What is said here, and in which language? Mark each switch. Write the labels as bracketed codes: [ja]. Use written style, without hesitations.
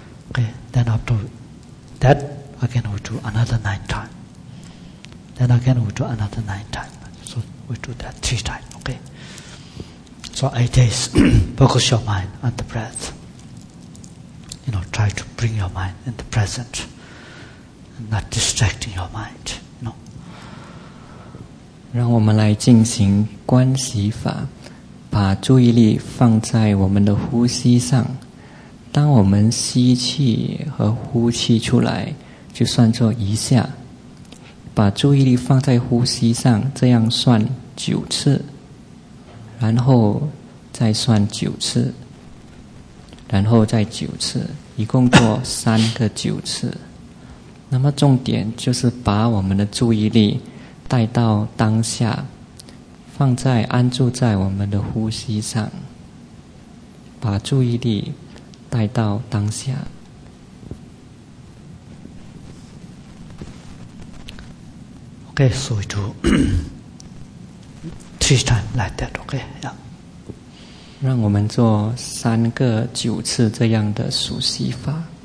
[en] Okay, then after that, again we do another 9 times. Then again we do another 9 times. So we do that 3 times, okay? So 8 days, focus your mind on the breath. You know, try to bring your mind in the present. And not distracting your mind. [zh] 让我们来进行观息法，把注意力放在我们的呼吸上。当我们吸气和呼气出来，就算作一下。把注意力放在呼吸上，这样算九次，然后再算九次，然后再九次，一共做三个九次。那么重点就是把我们的注意力带到当下，放在安住在我们的呼吸上，把注意力带到当下。 [en] Okay, so we do three times like that. Okay, yeah. [zh] 让我们做三个九次这样的数息法。